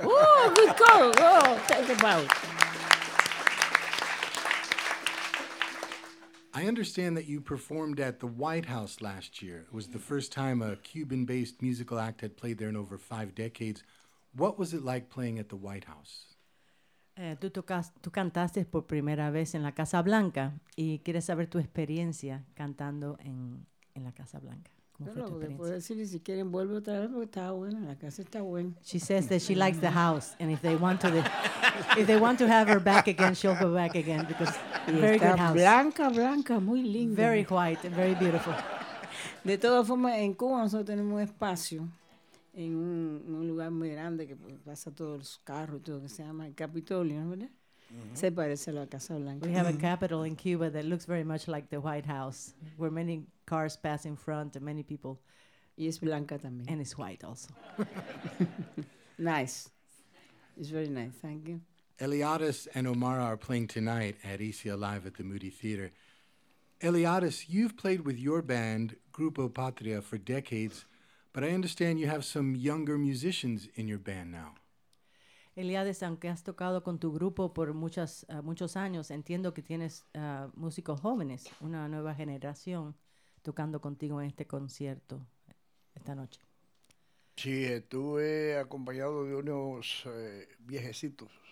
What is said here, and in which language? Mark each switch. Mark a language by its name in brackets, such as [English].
[English] Oh, good call. Go, take a bow. I understand that you performed at the White House last year. It was the first time a Cuban-based musical act had played there in over 5 decades. What was it like playing at the White House? [Spanish] Tú cantaste por primera vez en la Casa Blanca y quieres saber tu experiencia cantando en la Casa Blanca. ¿Cómo fue tu experiencia? Puedo decir, si quieren, vuelve otra vez porque está buena, la casa está buena. [English] She says that she likes the house, and if they want to have her back again, she'll go back again because very good house. [Spanish] Blanca, muy linda. [English] Very white, very beautiful. [Spanish] De todas formas, en Cuba nosotros tenemos un espacio en un lugar muy grande que pasa todos los carros y todo, que se llama el Capitolio, ¿no? ¿Verdad? Mm-hmm. Se parece a la Casa Blanca. [English] We have a capital in Cuba that looks very much like the White House, where many cars pass in front and many people. [Spanish] Y es blanca también. [English] And it's white also. Nice. It's very nice. Thank you. Eliades and Omara are playing tonight at ECL Live at the Moody Theater. Eliades, you've played with your band, Grupo Patria, for decades. But I understand you have some younger musicians in your band now. [Spanish] Eliades, aunque has tocado con tu grupo por muchos años, entiendo que tienes músicos jóvenes, una nueva generación, tocando contigo en este concierto esta noche. Sí, estuve acompañado de unos viejecitos.